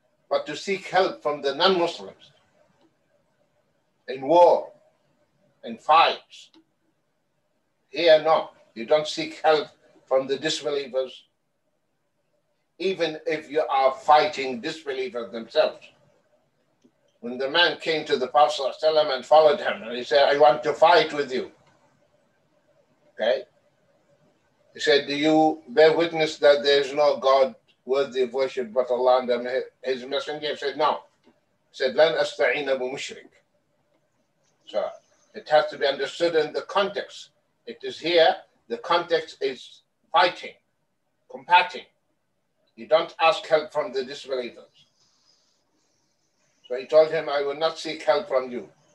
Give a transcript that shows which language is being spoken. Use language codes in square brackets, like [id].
[en] But to seek help from the non-Muslims in war, in fights, here no, you don't seek help from the disbelievers, even if you are fighting disbelievers themselves. When the man came to the Prophet ﷺ and followed him, and he said, I want to fight with you, okay? He said, do you bear witness that there is no God worthy of worship but Allah and his messenger? He said, no. [ar] He said, لَنْ أَسْتَعِينَ بُمُشْرِكْ. [en] So it has to be understood in the context. It is here, the context is fighting, combating. You don't ask help from the disbelievers. So he told him, I will not seek help from you.